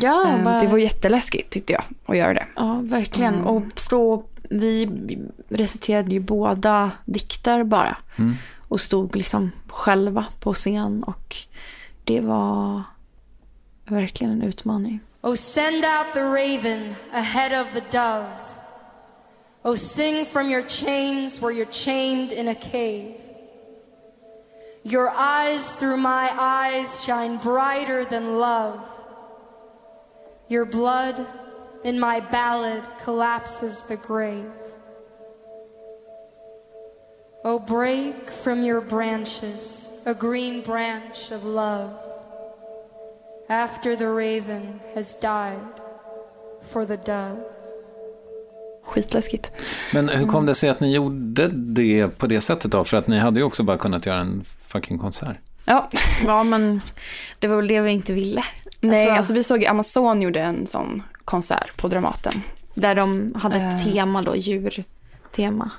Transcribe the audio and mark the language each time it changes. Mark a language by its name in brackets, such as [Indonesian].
[Swedish] Ja, bara... Det var jätteläskigt, tyckte jag, att göra det. Ja, verkligen. Mm. Och stå, vi reciterade ju båda dikter bara och stod liksom själva på scen, och det var verkligen en utmaning. [English] Oh, send out the raven ahead of the dove. Oh, sing from your chains where you're chained in a cave. Your eyes through my eyes shine brighter than love. Your blood in my ballad collapses the grave. Oh, break from your branches a green branch of love after the raven has died for the dove. [Swedish] Skitläskigt. Men hur kom det sig att ni gjorde det på det sättet då? För att ni hade ju också bara kunnat göra en fucking konsert. Ja, ja men det var väl det vi inte ville. Nej, alltså vi såg att Amazon gjorde en sån konsert på Dramaten. Där de hade ett tema då, djurtema.